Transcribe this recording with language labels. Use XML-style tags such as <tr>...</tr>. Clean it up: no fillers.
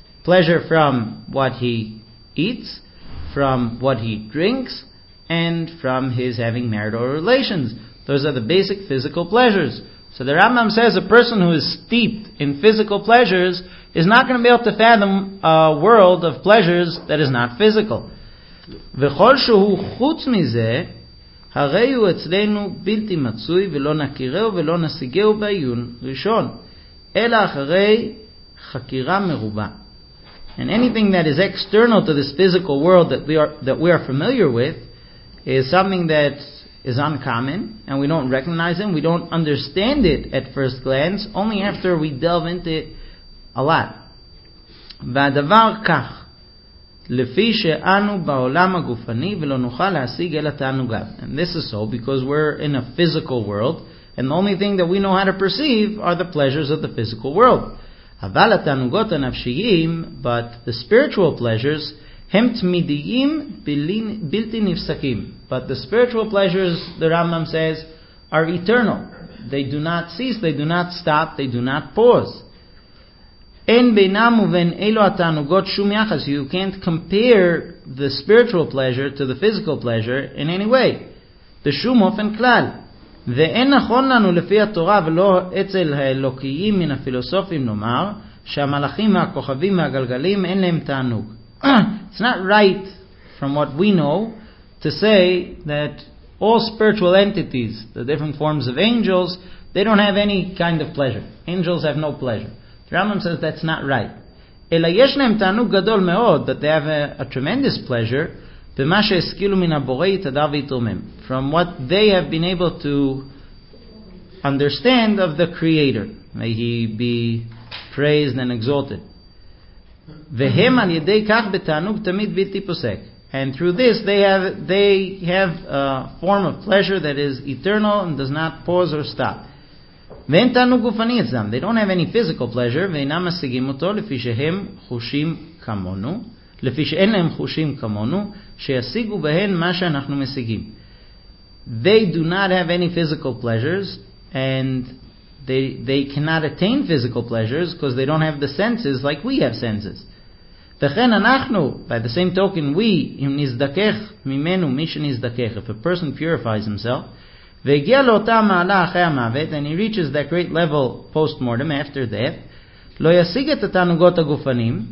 <en>Pleasure from what he eats, from what he drinks, and from his having marital relations. Those are the basic physical pleasures. So the Rambam says a person who is steeped in physical pleasures is not going to be able to fathom a world of pleasures that is not physical.</en> <he>V'chol shehu chutz mizeh, הרי הוא אצלנו בלתי מצוי ולא נכירהו ולא נשיגהו בעיון ראשון אלא אחרי חקירה מרובה.</he> <en>And anything that is external to this physical world that we are familiar with is something that is uncommon and we don't recognize it, we don't understand it at first glance, only after we delve into it a lot.</en> <he>והדבר כך לפי שאנו בעולם הגופני ולא נוכל להשיג אלא תענוגיו.</he> <en>And this is so because we're in a physical world and the only thing that we know how to perceive are the pleasures of the physical world.</en> <he>אבל התענוגות הנפשיים,</he> <en>but the spiritual pleasures,</en> <he>הם תמידיים בלתי נפסקים.</he> <en>But the spiritual pleasures, the Rambam says, are eternal. They do not cease, they do not stop, they do not pause.</en> <he>אין בינם ובין אלו התענוגות שום יחס.</he> <en>You can't compare the spiritual pleasure to the physical pleasure in any way.</en> <he>בשום אופן כלל. ואין נכון לנו לפי התורה ולא אצל האלוקיים מן הפילוסופים נאמר שהמלאכים והכוכבים והגלגלים אין להם תענוג.</he> <en>It's not right from what we know to say that all spiritual entities, the different forms of angels, they don't have any kind of pleasure. Angels have no pleasure. Rambam says that's not right.</en> <he>אלא יש להם תענוג גדול מאוד,</he> <en>that they have a tremendous pleasure,</en> <he>במה שהשכילו מן הבורא יתהדר ויתרומם.</he> <en>From what they have been able to understand of the Creator. May he be praised and exalted.</en> <he>והם על ידי כך בתענוג תמיד בלתי פוסק.</he> <en>And through this they have a form of pleasure that is eternal and does not pause or stop.</en> <he>ואין תענוג גופני אצלם.</he> <en>They don't have any physical pleasure,</en> <he>ואינם משיגים אותו לפי שהם חושים כמונו, לפי שאין להם חושים כמונו, שישיגו בהן מה שאנחנו משיגים.</he> <en>They do not have any physical pleasures, and they cannot attain physical pleasures, because they don't have the senses like we have senses.</en> <he>וכן אנחנו,</he> <en>by the same token, we,</en> <he>אם נזדקך ממנו, מי שנזדקך,</he> <en>if a person purifies himself,</en> <he>והגיע לאותה מעלה אחרי המוות,</he> <en>and he reaches that great level post-mortem, after death,</en> <he>לא ישיג את התענוגות הגופנים.</he>